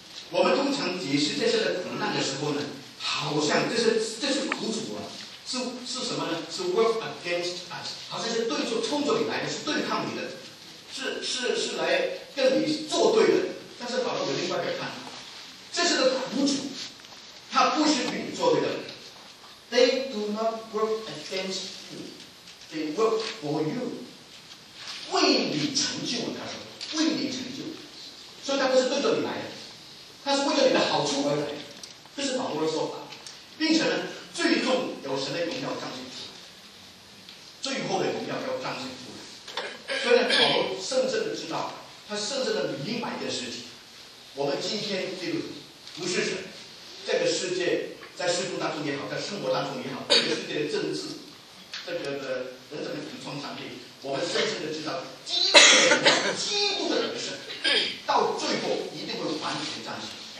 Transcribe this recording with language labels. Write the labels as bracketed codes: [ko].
[zh] 我们通常解释这些的苦难的时候呢，好像这是苦楚啊。是什么呢？是 [en] work against us， [zh] 好像是对着冲着你来的，是对抗你的，是来跟你作对的。但是保罗有另外一个看法，这是个苦主，他不是与你作对的。 [en] They do not work against you， they work for you， [zh] 为你成就。他说，为你成就，所以他不是对着你来的，他是为了你的好处而来。这是保罗的说法，并且呢。最终有神的荣耀彰显出来，最后的荣耀要彰显出来。所以呢，保罗深深的知道，他深深的明白一件事情：我们今天基督徒不是神，这个世界在事工当中也好，在生活当中也好，这个世界的政治，这个的人生的补充产品，我们深深的知道，基督的荣耀，基督的人生，到最后一定会完全彰显。